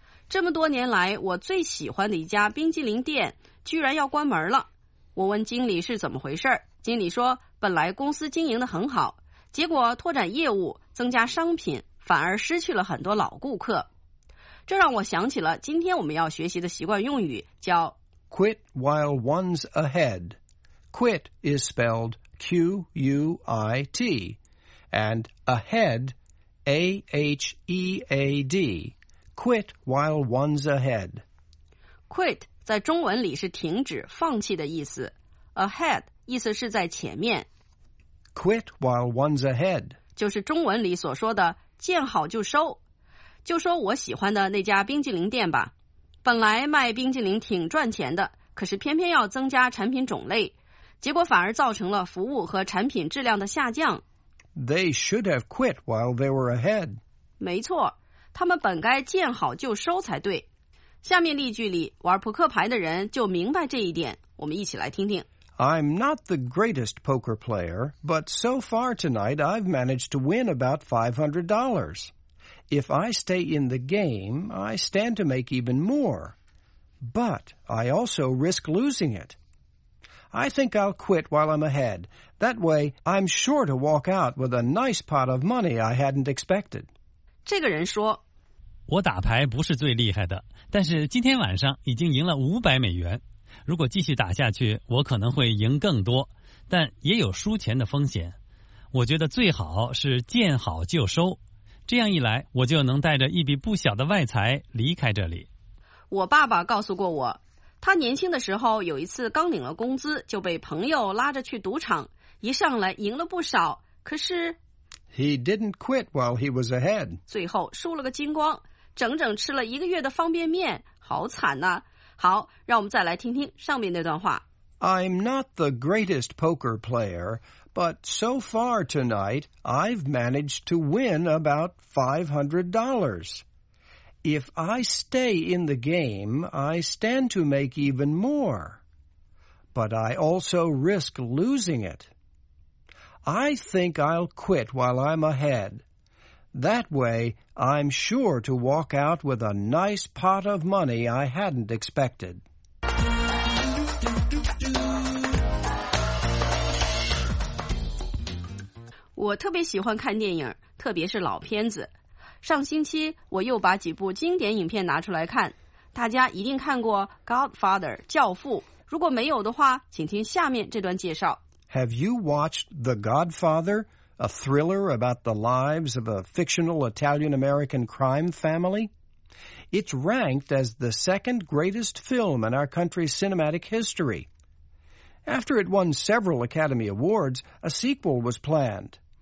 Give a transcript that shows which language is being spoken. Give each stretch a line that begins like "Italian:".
Chinese: 这么多年来，我最喜欢的一家冰激凌店居然要关门了。我问经理是怎么回事，经理说本来公司经营得很好，结果拓展业务，增加商品，反而失去了很多老顾客。这让我想起了今天我们要学习的习惯用语，叫
English: Quit while one's ahead. Quit is spelledQUIT and ahead, AHEAD, quit while one's ahead.
Chinese: Quit 在中文里是停止、放弃的意思。 Ahead 意思是在前面。
English: Quit while one's ahead
Chinese: 就是中文里所说的见好就收。就说我喜欢的那家冰激凌店吧，本来卖冰激凌挺赚钱的，可是偏偏要增加产品种类。结果反而造成了服务和产品质量的下降。
English: They should have quit while they were ahead.
Chinese: 没错，他们本该见好就收才对。下面例句里，玩扑克牌的人就明白这一点，我们一起来听听。
English: I'm not the greatest poker player, but so far tonight I've managed to win about $500. If I stay in the game, I stand to make even more. But I also risk losing it. I think I'll quit while I'm ahead. That way, I'm sure to walk out with a nice pot of money I hadn't expected.
Chinese: 这个人说，我打牌不是最厉害的，但是今天晚上已经赢了500美元。如果继续打下去，我可能会赢更多，但也有输钱的风险。我觉得最好是见好就收，这样一来，我就能带着一笔不小的外财离开这里。我爸爸告诉过我，他年轻的时候有一次刚领了工资，就被朋友拉着去赌场，一上来赢了不少，可是
English: He didn't quit while he was ahead.
Chinese: 最后输了个精光，整整吃了一个月的方便面，好惨啊。好，让我们再来听听上面那段话。
English: I'm not the greatest poker player, but so far tonight, I've managed to win about $500. If I stay in the game, I stand to make even more. But I also risk losing it. I think I'll quit while I'm ahead. That way, I'm sure to walk out with a nice pot of money I hadn't expected.
Chinese: 我特别喜欢看电影，特别是老片子。上星期我又把几部经典影片拿出来看，大家一定看过 Godfather 教父，如果没有的话，请听下面这段介绍。
English: Have you watched The Godfather, a thriller about the lives of a fictional Italian-American crime family? It's ranked as the second greatest film in our country's cinematic history. After it won several Academy Awards, a sequel was planned.